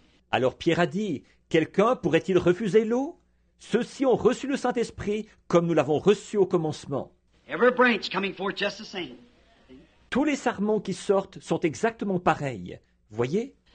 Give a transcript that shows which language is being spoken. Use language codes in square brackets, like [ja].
[fr] Alors Pierre a dit, quelqu'un pourrait-il refuser l'eau? Ceux-ci ont reçu le Saint-Esprit comme nous l'avons reçu au commencement. [en] Every branch coming forth just the same. [fr] Tous les sarments qui sortent sont exactement pareils. Voyez?